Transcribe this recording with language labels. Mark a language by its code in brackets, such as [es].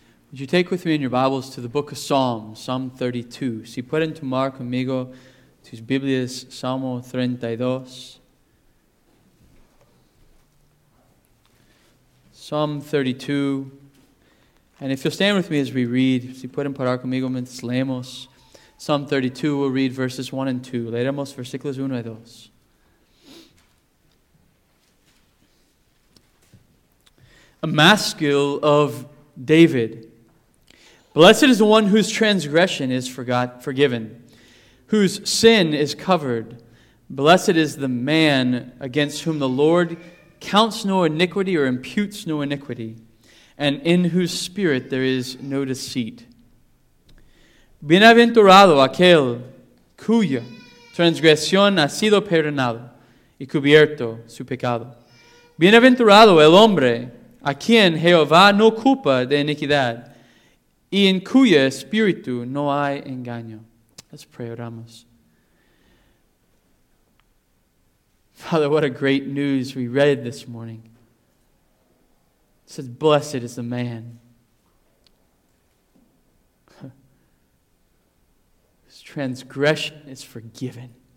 [en] Would you take with me in your Bibles to the book of Psalms, Psalm 32. [es] Si pueden tomar conmigo tus Biblias, Salmo 32. [en] Psalm 32. And if you'll stand with me as we read, [es] si pueden parar conmigo mientras leemos. [en] Psalm 32, we'll read verses 1 and 2. [es] Leeremos versículos 1 y 2. [en] A maskil of David. Blessed is the one whose transgression is forgiven, whose sin is covered. Blessed is the man against whom the Lord counts no iniquity or imputes no iniquity, and in whose spirit there is no deceit. [es] Bienaventurado aquel cuya transgresión ha sido perdonado y cubierto su pecado. Bienaventurado el hombre a quien Jehová no culpa de iniquidad y en cuyo espíritu no hay engaño. [en] Let's pray, [es] oramos. [en] Father, what a great news we read this morning. It says, blessed is the man whose transgression is forgiven.